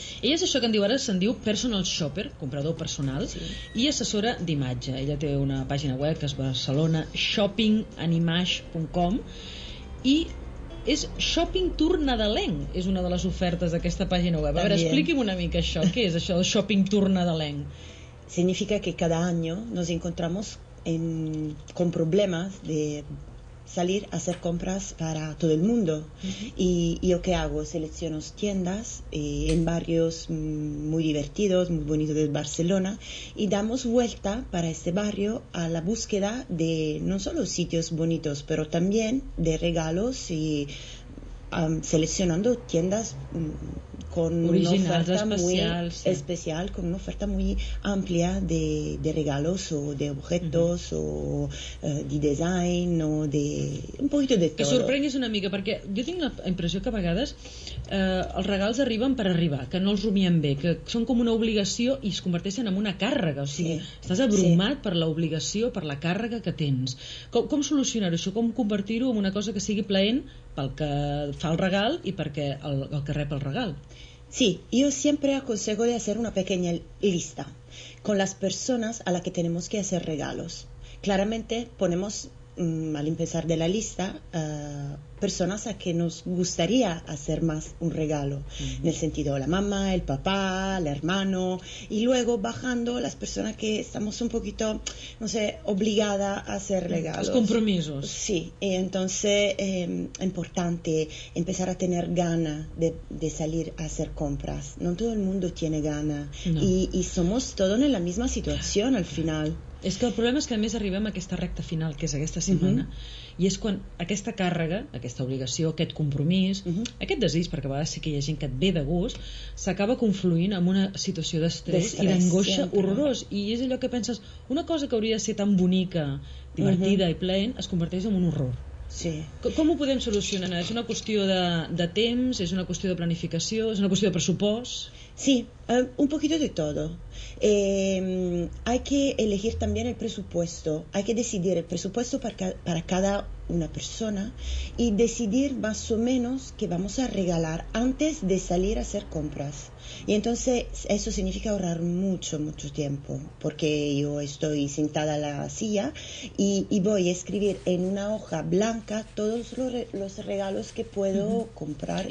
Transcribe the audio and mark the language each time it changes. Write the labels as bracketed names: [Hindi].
[Catalan] Ella és això que en diu ara, se'n diu personal shopper, comprador personal, sí. I assessora d'imatge. Ella té una pàgina web que és barcelonashoppinganimage.com i és Shopping Tour Nadalenc, és una de les ofertes d'aquesta pàgina web. A veure, expliqui'm una mica això, què és això del Shopping Tour Nadalenc? [Spanish] Significa que [Catalan] cada any [Spanish] nos encontramos con problemas de salir a hacer compras para todo el mundo. Y yo, ¿qué hago? Selecciono tiendas en barrios muy divertidos, muy bonitos de Barcelona, y damos vuelta para este barrio a la búsqueda de no solo sitios bonitos, pero también de regalos, y seleccionando tiendas con [Catalan] originals, [Spanish] una oferta especial, muy especial, con una oferta muy amplia de regalos o de objetos o de design o de un poquito de todo. [Catalan] Que sorprenguis una mica, perquè jo tinc la impressió que a vegades els regals arriben per arribar, que no els rumiem bé, que són com una obligació i es converteixen en una càrrega. O sigui, estàs abrumat per l'obligació, per la càrrega que tens. Com solucionar-ho això? Com convertir-ho en una cosa que sigui plaent pel que fa el regal i perquè el que rep el regal? [Spanish] Sí, yo siempre aconsejo de hacer una pequeña lista con las personas a las que tenemos que hacer regalos. Claramente ponemos, al empezar de la lista, personas a que nos gustaría hacer más un regalo, en el sentido la mamá, el papá, el hermano, y luego bajando las personas que estamos un poquito, no sé, obligada a hacer regalos. Los compromisos. Sí, entonces importante empezar a tener gana de salir a hacer compras. No todo el mundo tiene gana, no. Y somos todos en la misma situación al final. [Catalan] És que el problema és que a més arribem a aquesta recta final, que és aquesta setmana, i és quan aquesta càrrega, aquesta obligació, aquest compromís, aquest desig, perquè a vegades sí que hi ha gent que et ve de gust, s'acaba confluint en una situació d'estrès i d'angoixa horrorós. I és allò que penses, una cosa que hauria de ser tan bonica, divertida i plena, es converteix en un horror. Sí. Com ho podem solucionar? És una qüestió de temps, és una qüestió de planificació, és una qüestió de pressupost? [Spanish] Sí, un poquito de todo. Hay que elegir también el presupuesto. Hay que decidir el presupuesto para cada una persona y decidir más o menos qué vamos a regalar antes de salir a hacer compras. Y entonces eso significa ahorrar mucho, mucho tiempo, porque yo estoy sentada en la silla y voy a escribir en una hoja blanca todos los regalos que puedo comprar.